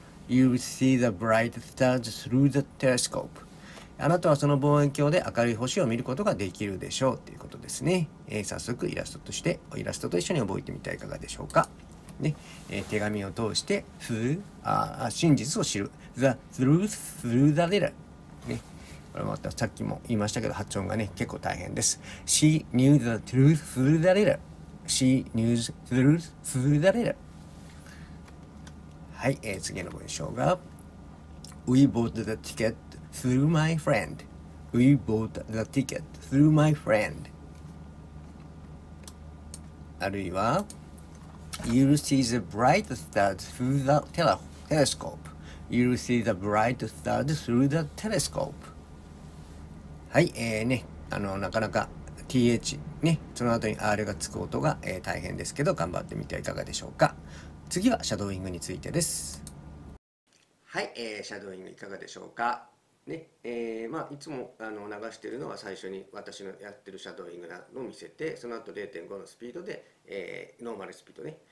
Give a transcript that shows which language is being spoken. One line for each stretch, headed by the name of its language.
English: You'll see the bright stars through the telescope.
Japanese: あなたはその望遠鏡で明るい星を見ることができるでしょうということですね。早速イラストと一緒に覚えてみてはいかがでしょうか。ね、手紙を通して、真実を知る。 The truth through the letter、ね、これまたさっきも言いましたけど発音がね結構大変です。
English: She knew the truth through the letter. She knew the truth through the letter.
Japanese: はい、次の文章が We bought the ticket through my friend.
English: We bought the ticket through my friend. あるいは You'll see the bright stars through the telescopeYou'll see the bright stars through the telescope.
Japanese: はい、ね、なかなか th ね、その後に r がつく音が、大変ですけど、頑張ってみてはいかがでしょうか。次はシャドーイングについてです。はい、シャドーイングいかがでしょうか。ね、いつも流しているのは最初に私のやってるシャドーイングを見せて、その後 0.5 のスピードで、ノーマルスピードね。